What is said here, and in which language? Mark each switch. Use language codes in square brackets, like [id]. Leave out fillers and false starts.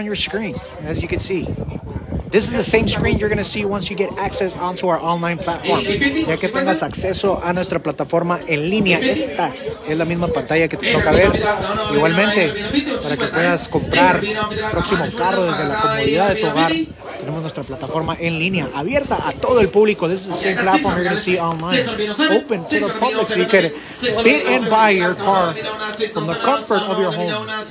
[en] 800 This is the same screen you're going to see once you get access onto our online platform. [es] Ya que tengas acceso a nuestra plataforma en línea, esta es la misma pantalla que te toca ver. Igualmente, para que puedas comprar el próximo carro desde la comodidad de tu hogar, tenemos nuestra plataforma en línea, abierta a todo el público. [en] This is the same platform you're going to see online. Open to the public so you can fit and buy your car from the comfort of your home.